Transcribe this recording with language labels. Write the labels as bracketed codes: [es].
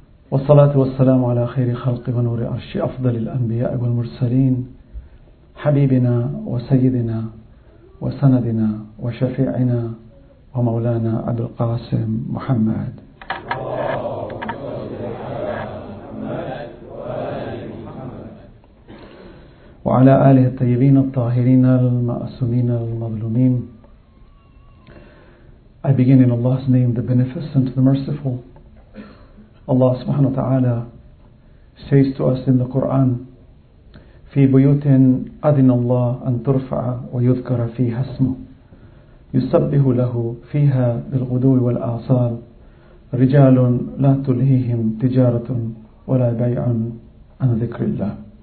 [ar] والصلاة والسلام على خير خلق ونور عرش أفضل الأنبياء والمرسلين حبيبنا وسيدنا وسندنا وشفيعنا ومولانا أبي القاسم محمد. وعلى آله الطيبين الطاهرين المأسومين المظلومين. [en] I begin in Allah's name, the Beneficent, the Merciful. Allah subhanahu wa ta'ala says to us in the Quran, [ar] في بيوت أذن الله أن ترفع ويذكر فيها اسمه يسبه له فيها بالغدو والآصال رجال لا تلهيهم تجارة ولا بيع عن ذكر الله.